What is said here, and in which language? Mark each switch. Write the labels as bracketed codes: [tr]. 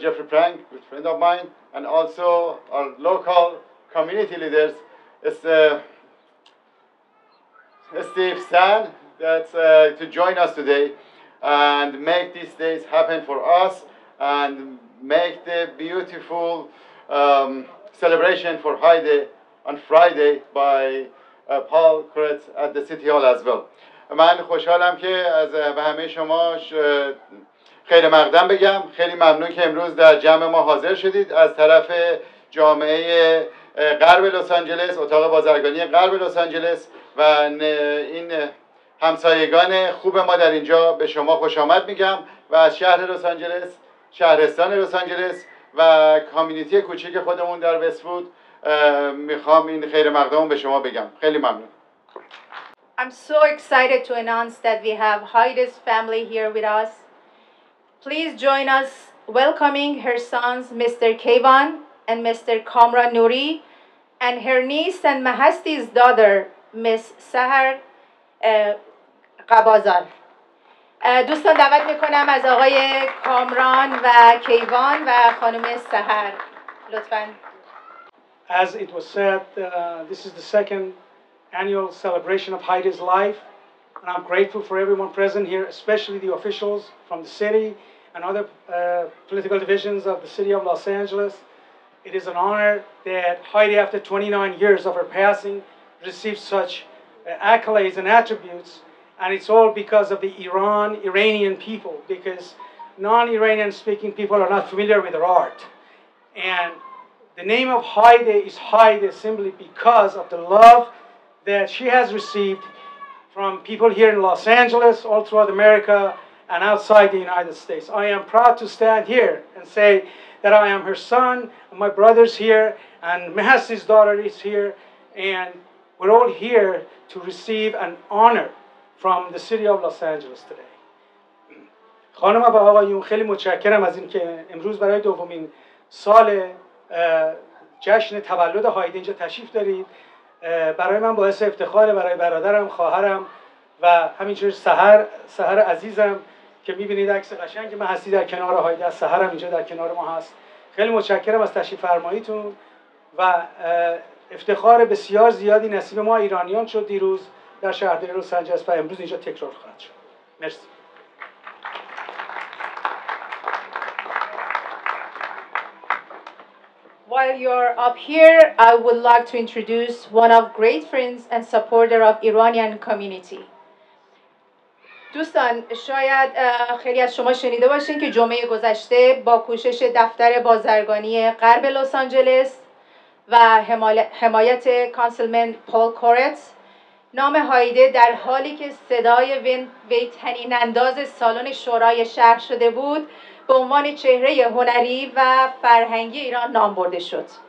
[en] Jeffrey Prang, a friend of mine, and also our local community leaders, Steve Stan, to join us today and make these days happen for us and make the beautiful celebration for Hayedeh on Friday by Paul Kretz at the City Hall as well. [fa] من خوشحالم که از به همه شما خیر مقدم بگم. خیلی ممنون که امروز در جمع ما حاضر شدید. از طرف جامعه غرب لس آنجلس, اتاق بازرگانی غرب لس آنجلس و این همسایگان خوب ما در اینجا به شما خوش آمد میگم و از شهر لس آنجلس, شهرستان لس آنجلس و کامیونیتی کوچک خودمون در وستوود میخوام این خیر مقدمون به شما بگم. خیلی ممنون. [en] I'm so excited to announce that we have Hayedeh's family here with us. Please join us welcoming her sons Mr. Kayvan and Mr. Kamran Nuri and her niece and Mahasti's daughter Miss Sahar Qabazar. [fa] دوستان دعوت میکنم از آقای کامران و کیوان و خانم سحر لطفاً. [en] As it was said, this is the second annual celebration of Hayedeh's life, and I'm grateful for everyone present here, especially the officials from the city and other political divisions of the city of Los Angeles, It is an honor that Hayedeh, after 29 years of her passing, received such accolades and attributes, and it's all because of the Iranian people, because non-Iranian speaking people are not familiar with her art. And the name of Hayedeh is Hayedeh simply because of the love that she has received from people here in Los Angeles, all throughout America, and outside the United States. I am proud to stand here and say that I am her son, and my brother's here, and Mahasi's daughter is here, and we're all here to receive an honor from the city of Los Angeles today. [fa] خانم و آقایون خیلی متشکرم از اینکه امروز برای دومین سال جشن تولد هایده اینجا تشریف دارید. برای من باعث افتخاره برای برادرم، خواهرم و همینجور سحر عزیزم که میبینید عکس قشنگ من هستی در کنار هایده، سحرم اینجا در کنار ما هست. خیلی متشکرم از تشریف فرماییتون و افتخار بسیار زیادی نصیب ما ایرانیان شد دیروز در شهرداری لس آنجلس و امروز اینجا تکرار خواهد شد. مرسی. [en] While you're up here, I would like to introduce one of great friends and supporter of Iranian community. [fa] دوستان شاید خیلی از شما شنیده باشین که جمعه گذشته با کوشش دفتر بازرگانی غرب لس آنجلس و حمایت کانسلمن پال کورت نام هایده در حالی که صدای وی تنین انداز سالن شورای شهر شده بود به عنوان چهره هنری و فرهنگی ایران نام برده شد.